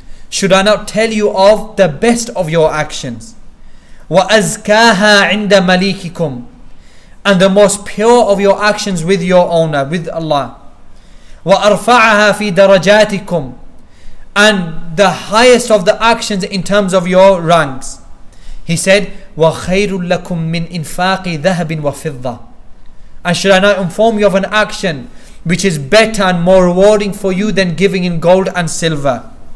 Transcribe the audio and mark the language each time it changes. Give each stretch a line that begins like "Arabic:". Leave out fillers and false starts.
English: Should I not tell you of the best of your actions?
Arabic: وَأَزْكَاهَا عِنْدَ مَلِيكِكُمْ.
English: And the most pure of your actions with your owner, with Allah.
Arabic: وَأَرْفَعَهَا فِي دَرَجَاتِكُمْ.
English: And the highest of the actions in terms of your ranks. He said,
Arabic: وَخَيْرٌ لَكُمْ مِنْ إِنْفَاقِ ذَهَبٍ وَفِضَّةٍ.
English: And should I not inform you of an action which is better and more rewarding for you than giving in gold and silver?